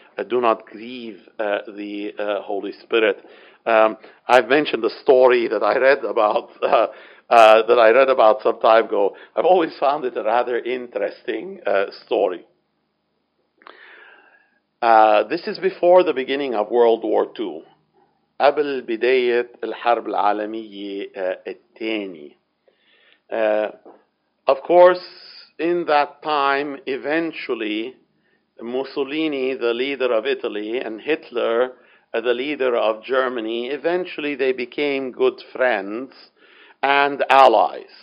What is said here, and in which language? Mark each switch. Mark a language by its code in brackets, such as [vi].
[en] Do not grieve the Holy Spirit. I've mentioned a story that I read about some time ago. I've always found it a rather interesting story. This is before the beginning of World War II. [ar] قبل بداية الحرب العالمية الثانية. [en] Of course, in that time, eventually, Mussolini, the leader of Italy, and Hitler, the leader of Germany, eventually they became good friends and allies.